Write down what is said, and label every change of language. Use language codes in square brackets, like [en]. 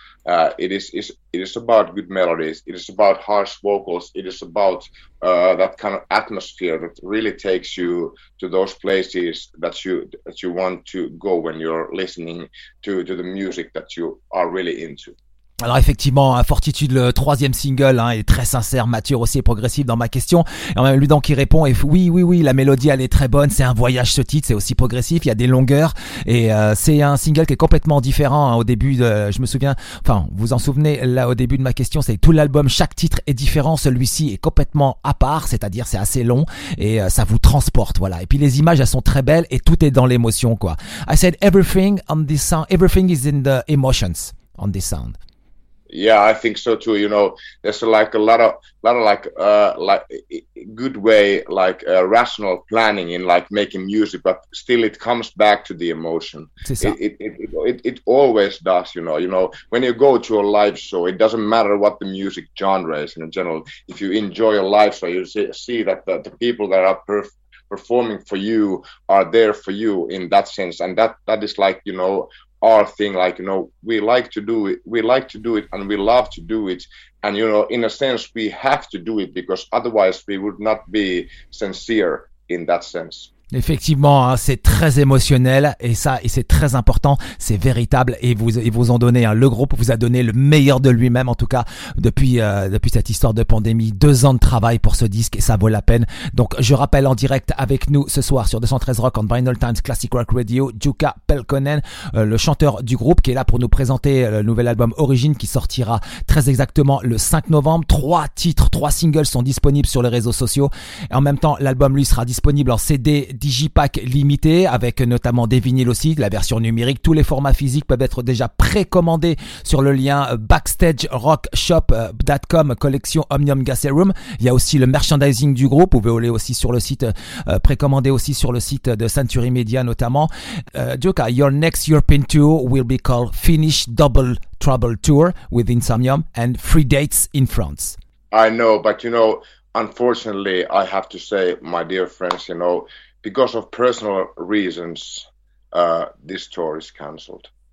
[en] It is about good melodies. It is about harsh vocals. It is about that kind of atmosphere that really takes you to those places that you want to go when you're listening to the music that you are really into. [fr] Alors effectivement, Fortitude, le troisième single, hein, est très sincère, mature aussi et progressif dans ma question. Et en même lui donc qui répond, et oui, la mélodie, elle est très bonne, c'est un voyage ce titre, c'est aussi progressif, il y a des longueurs, et c'est un single qui est complètement différent, hein. Au début, je me souviens, enfin, vous en souvenez, là au début de ma question, c'est tout l'album, chaque titre est différent, celui-ci est complètement à part, c'est-à-dire c'est assez long, et ça vous transporte, voilà. Et puis les images, elles sont très belles, et tout est dans l'émotion, quoi. [en] I said everything on this sound, everything is in the emotions on this sound. Yeah, I think so too. You know, there's like a lot of like good way, like rational planning in like making music, but still it comes back to the emotion. [fr] C'est ça. [en] It always does. You know, when you go to a live show, it doesn't matter what the music genre is in general. If you enjoy a live show, you see that the people that are performing for you are there for you in that sense, and that is like, you know, our thing, like, you know, we like to do it and we love to do it, and you know, in a sense we have to do it because otherwise we would not be sincere in that sense. [fr] Effectivement, hein, c'est très émotionnel et ça, et c'est très important, c'est véritable et ils vous ont donné, hein, le groupe vous a donné le meilleur de lui-même, en tout cas depuis cette histoire de pandémie, 2 ans de travail pour ce disque et ça vaut la peine. Donc je rappelle, en direct avec nous ce soir sur 213 Rock on Vinyl Times Classic Rock Radio, Jukka Pelkonen, le chanteur du groupe qui est là pour nous présenter le nouvel album Origin qui sortira très exactement le 5 novembre. 3 singles sont disponibles sur les réseaux sociaux et en même temps l'album lui sera disponible en CD Digipack limité avec notamment des vinyles aussi, la version numérique. Tous les formats physiques peuvent être déjà précommandés sur le lien backstagerockshop.com collection Omnium Gasserum. Il y a aussi le merchandising du groupe, vous pouvez aller aussi sur le site, précommander aussi sur le site de Century Media notamment. [en] Jukka, your next European tour will be called Finnish Double Trouble Tour with Insomnium and 3 dates in France. I know, but you know, unfortunately I have to say, my dear friends, you know, because of personal reasons, this tour is cancelled.